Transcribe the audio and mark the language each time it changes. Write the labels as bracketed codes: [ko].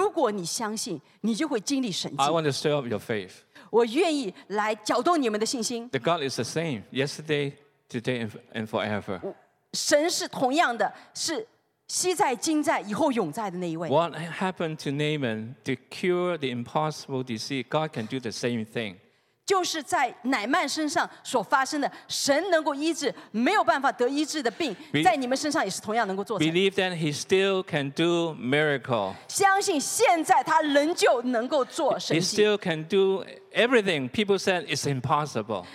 [zh] 所以记得我讲到的这个主题就是，如果你相信，你就会经历神迹。 [en] I want to stir up your faith. [zh] 我愿意来搅动你们的信心。 [en] The God is the same yesterday, today, and forever. [zh] 神是同样的，是。昔在、今在、以后永在的那一位。 [en] What happened to Naaman to cure the impossible disease? God can do the same thing. [zh] 就是在乃曼身上所发生的，神能够医治没有办法得医治的病，在你们身上也是同样能够做成。 [en] Believe that He still can do miracle. [zh] 相信现在他仍旧能够做神迹。 [en] He still can do everything people said is impossible.